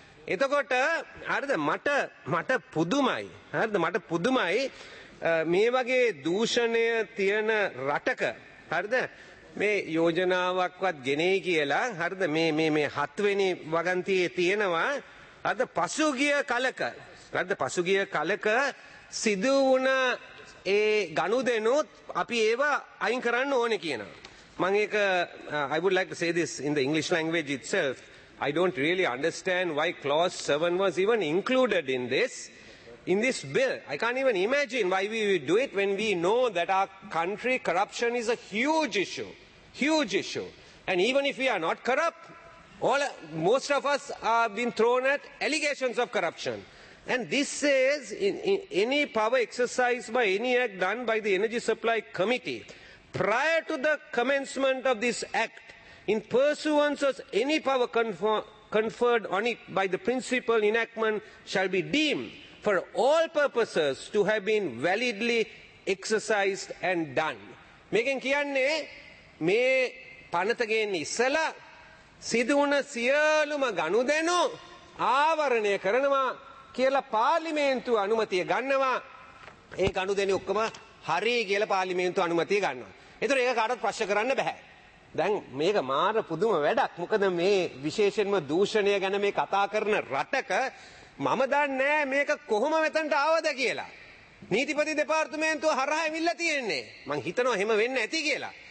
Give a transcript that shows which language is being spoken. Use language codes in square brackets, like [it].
[si] එතකොට හරිද, මට පුදුමයි මේ වගේ දූෂණය තියෙන රටක, හරිද, මේ යෝජනාවක්වත් ගෙනේ කියලා, හරිද, මේ 7 වෙනි වගන්තියේ තියෙනවා. හරිද? පසුගිය කලක සිදු වුණ ඒ ගනුදෙනුත් අපි ඒව අයින් කරන්න ඕනේ කියනවා. මම ඒක [en] I would like to say this in the English language itself. I don't really understand why clause 7 was even included in this bill. I can't even imagine why we would do it when we know that our country corruption is a huge issue. And even if we are not corrupt, most of us have been thrown at allegations of corruption. And this says in any power exercise by any act done by the Energy Supply Committee prior to the commencement of this act, in pursuance of any power conferred on it by the principal enactment, shall be deemed for all purposes to have been validly exercised and done. [si] Meken kiyanne me panata genne issala siduna sieluma ganudenu aavarane karanawa කියලා පාර්ලිමේන්තුව අනුමැතිය ගන්නවා. ඒ ගනුදෙනු ඔක්කොම හරි කියලා පාර්ලිමේන්තුව අනුමැතිය ගන්නවා. ඒතර ඒක කාටවත් ප්‍රශ්න කරන්න බෑ. දැන් මේක මාර පුදුම වැඩක්. මොකද මේ විශේෂයෙන්ම දූෂණය ගැන මේ කතා කරන රටක මම දන්නේ මේක කොහොම වෙතන්ට ආවද කියලා. නීතිපති දෙපාර්තමේන්තුව හරහා එවිල්ලා තියෙන්නේ. මං හිතනවා එහෙම වෙන්න ඇති කියලා.